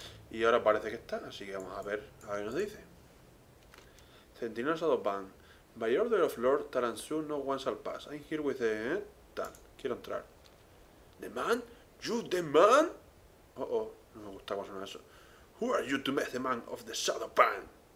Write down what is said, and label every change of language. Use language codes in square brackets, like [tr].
[es] Y ahora parece que está, así que vamos a ver qué nos dice. Centinelas Shadowbound. [en] By order of Lord Taransu, no one shall pass. I'm here with the... Tal. [es] Quiero entrar. [en] ¿The man? ¿You the man? [es] Oh, no me gusta cómo suena eso. [en] Who are you to mess the man of the Shadowbound?